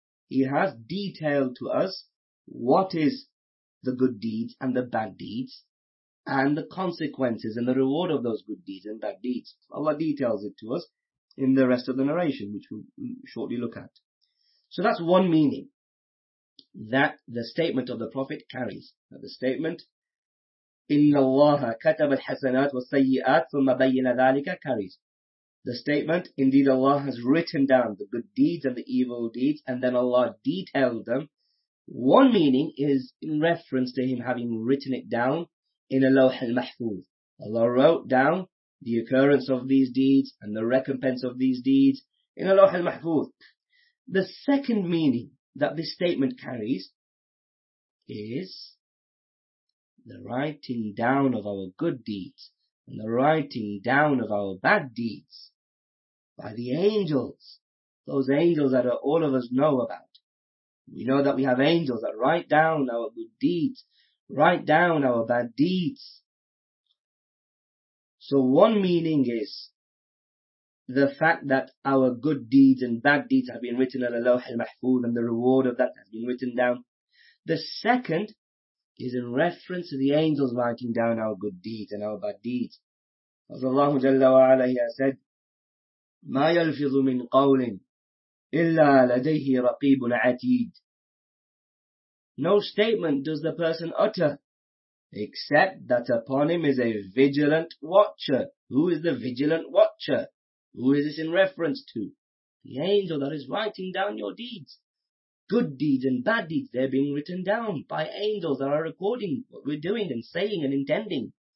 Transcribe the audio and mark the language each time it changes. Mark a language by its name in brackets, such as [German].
[English] He has detailed to us what is the good deeds and the bad deeds and the consequences and the reward of those good deeds and bad deeds. Allah details it to us in the rest of the narration, which we'll shortly look at. So that's one meaning that the statement of the Prophet carries. Now the statement, [Arabic] إِنَّ اللَّهَ كَتَبَ الْحَسَنَاتِ وَالسَّيِّئَاتِ ثُمَّ بَيِّنَ ذَلِكَ [English] carries. The statement, indeed Allah has written down the good deeds and the evil deeds, and then Allah detailed them. One meaning is in reference to Him having written it down in a Lawh al-Mahfuz. Allah wrote down the occurrence of these deeds and the recompense of these deeds in a Lawh al-Mahfuz. The second meaning that this statement carries is the writing down of our good deeds and the writing down of our bad deeds by the angels, those angels that all of us know about. We know that we have angels that write down our good deeds, write down our bad deeds. So one meaning is the fact that our good deeds and bad deeds have been written on the Lawh al-Mahfuz and the reward of that has been written down. The second is in reference to the angels writing down our good deeds and our bad deeds. As Allah Jalla wa Ala has said, [Arabic] مَا يَلْفِظُ مِنْ قَوْلٍ إِلَّا لَدَيْهِ رَقِيبٌ عَتِيدٌ. [English] No statement does the person utter, except that upon him is a vigilant watcher. Who is the vigilant watcher? Who is this in reference to? The angel that is writing down your deeds. Good deeds and bad deeds, they're being written down by angels that are recording what we're doing and saying and intending.